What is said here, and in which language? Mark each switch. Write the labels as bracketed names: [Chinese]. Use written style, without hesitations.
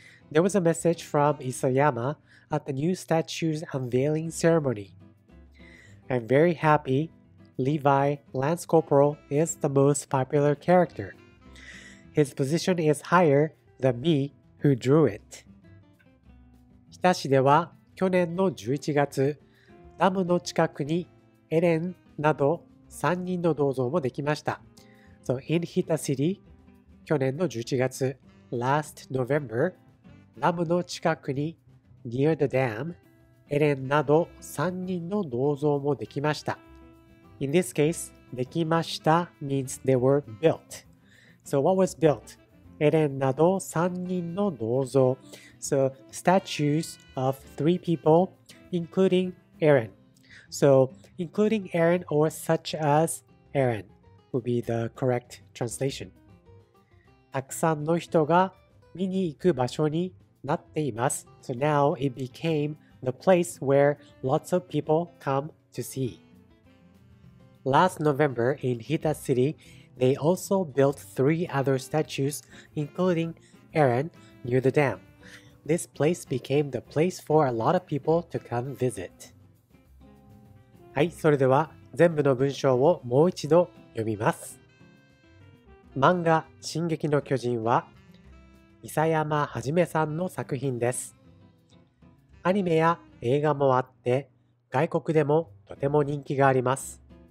[English] There was a message from Isayama at the new statue's unveiling ceremony. I'm very happy Levi Lance Corporal is the most popular character. His position is higher than me who drew it. [Japanese] 日田市では去年の11月、ダムの近くにエレンなど3人の銅像もできました。 [English] So in Hita City, [Japanese] 去年の11月、 [English] last November, [Japanese] ダムの近くに [English] near the dam, [Japanese] エレンなど3人の銅像もできました。 [English] In this case, できました means they were built. So what was built? [Japanese] エレンなど3人の銅像。 [English] So statues of three people, including Eren. So including Eren or such as Eren would be the correct translation. [Japanese] たくさんの人が見に行く場所になっています。 [English] So now it became the place where lots of people come to see. Last November in Hita City, they also built three other statues, including Eren, near the dam. This place became the place for a lot of people to come visit. [Japanese] はい、それでは全部の文章をもう一度読みます。漫画「進撃の巨人」は、諫山はじめさんの作品です。アニメや映画もあって、外国でもとても人気があります。